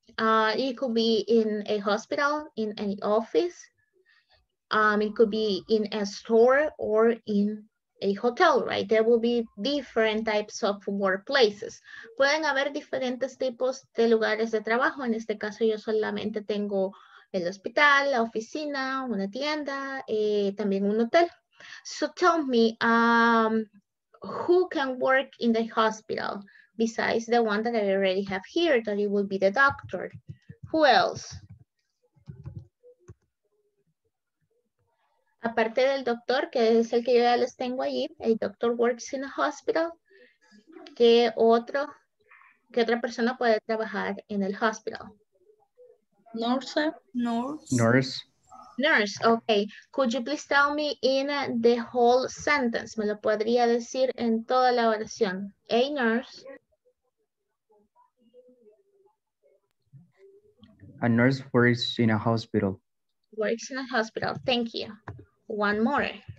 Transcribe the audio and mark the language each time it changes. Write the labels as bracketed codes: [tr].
[en] It could be in a hospital, in any office. It could be in a store or in a hotel, right? There will be different types of workplaces. [es] Pueden haber diferentes tipos de lugares de trabajo. En este caso, yo solamente tengo el hospital, la oficina, una tienda, también un hotel. [en] So tell me, who can work in the hospital besides the one that I already have here, that it will be the doctor. Who else? [es] Aparte del doctor, que es el que yo ya les tengo allí, el doctor [en] works in a hospital. [es] ¿Qué otra persona puede trabajar en el hospital? [en] Nurse. Nurse. Nurse, okay. Could you please tell me in the whole sentence? [es] ¿Me lo podría decir en toda la oración? [en] A nurse. A nurse works in a hospital. Works in a hospital. Thank you. One more.